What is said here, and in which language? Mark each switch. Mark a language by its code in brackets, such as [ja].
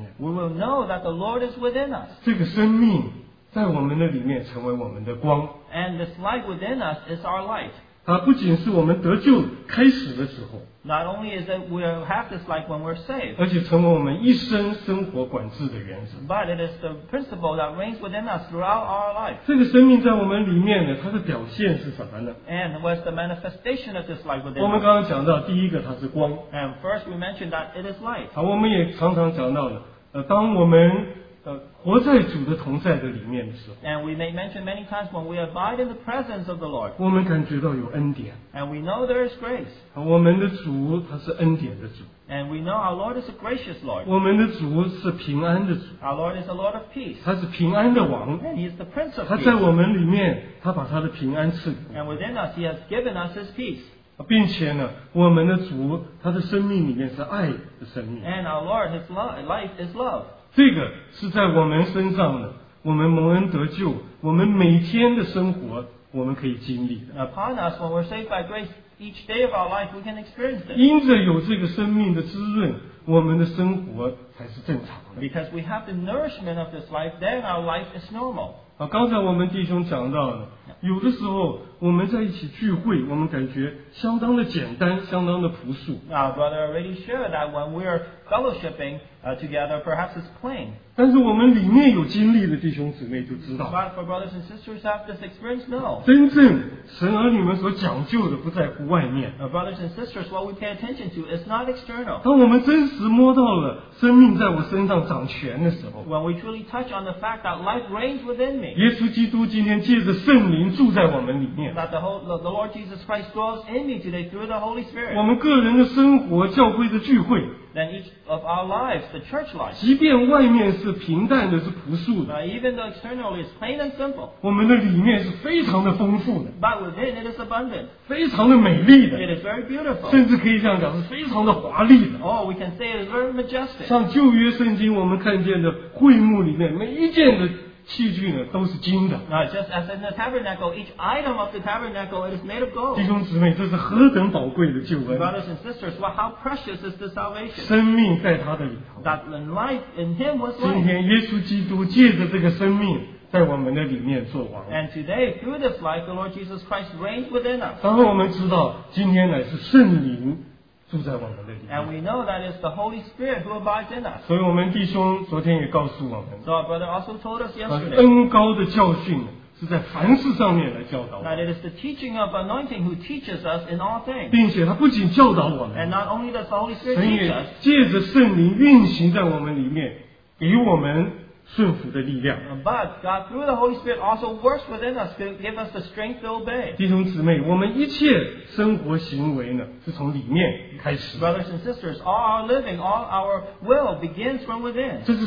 [en] will know that the Lord is within us. [zh] 这个生命在我们的里面成为我们的光。 [en] And this light within us is our light. [zh] 它不仅是我们得救开始的时候。 [en] Not only is it we have this life when we're saved, [zh] 而且成为我们一生生活管制的原则。 [en] But it is the principle that reigns within us throughout our life. [zh] 这个生命在我们里面呢, 它的表现是什么呢? [en] And what's the manifestation of this life within us? [zh] 我们刚刚讲到, 第一个, 它是光。 [en] And first we mentioned that it is light. [zh] 好, 我们也常常讲到呢, 当我们 活在主的同在的里面的时候, [en] and we may mention many times when we abide in the presence of the Lord. [zh] 我们感觉到有恩典, [en] and we know there is grace. [zh] 我们的主他是恩典的主, [en] and we know our Lord is a gracious Lord. [zh] 我们的主是平安的主, [en] our Lord is a Lord of peace. [zh] 他是平安的王, [en] and He is the Prince of peace. [zh] 他在我们里面, 他把他的平安赐给我们, [en] and within us He has given us His peace. [zh] 并且呢, 我们的主, 他的生命里面是爱的生命, [en] and our Lord, His life is love. [zh] 这个是在我们身上的，我们蒙恩得救，我们每天的生活，我们可以经历的。 [en] Upon us, when we're saved by grace, each day of our life we can experience this. [zh] 因着有这个生命的滋润, 我们的生活才是正常的。 [en] Because we have the nourishment of this life, then our life is normal. [zh] 啊, 刚才我们弟兄讲到了, 有的时候我们在一起聚会, 我们感觉相当的简单, 相当的朴素。 [en] Our brother already shared that when we are fellowshipping together, perhaps it's plain. [zh] 但是我们里面有经历的弟兄姊妹就知道, [en] but for brothers and sisters have this experience, no. [zh] 真正神儿女们所讲究的不在乎外面。 [en] Brothers and sisters, what we pay attention to is not external. [zh] 当我们真实摸到了生命在我身上掌权的时候, [en] when we truly touch on the fact that life reigns within me, [zh] 耶稣基督今天借着圣灵住在我们里面, [en] that the Lord Jesus Christ dwells in me today through the Holy Spirit, [zh] 我们个人的生活, 教会的聚会, [en] then each of our lives, the church life, [zh] 即便外面是平淡的, 是朴素的, [en] even though externally it's plain and simple, [zh] 我们的里面是非常的丰富的, [en] but within it is abundant, [zh] 非常的美丽的, [en] it is very beautiful, [zh] 甚至可以这样讲, 是非常的华丽的, [en] oh, we can say it is very majestic. [zh] 像旧约圣经, 我们看见的会幕里面, 每一件的, 器具呢, 都是金的。 [en] Now, just as in the tabernacle, each item of the tabernacle it is made of gold. [zh] 弟兄姊妹, 这是何等宝贵的救恩。 [en] Brothers and sisters, well, how precious is this salvation? [zh] 生命在他的里头。 [en] That life in him was life. [zh] 今天耶稣基督借着这个生命, 在我们的里面做王。 [en] And today, through this life, the Lord Jesus Christ reigns within us. [zh] 然后我们知道, 今天乃是圣灵, 住在我们的里面。 [en] And we know that it's the Holy Spirit who abides in us. [zh] 所以我们弟兄昨天也告诉我们, [en] so our brother also told us yesterday, [zh] 恩膏的教训, 是在凡事上面来教导我们。 [en] That it is the teaching of anointing who teaches us in all things. [zh] 并且他不仅教导我们, [en] and not only does the Holy Spirit teach us, [zh] 神也借着圣灵运行在我们里面, 给我们顺服的力量。 [en] But God through the Holy Spirit also works within us to give us the strength to obey. [zh] 弟兄姊妹, 我们一切生活行为呢, 是从里面开始。 [en] Brothers and sisters, all our living, all our will begins from within.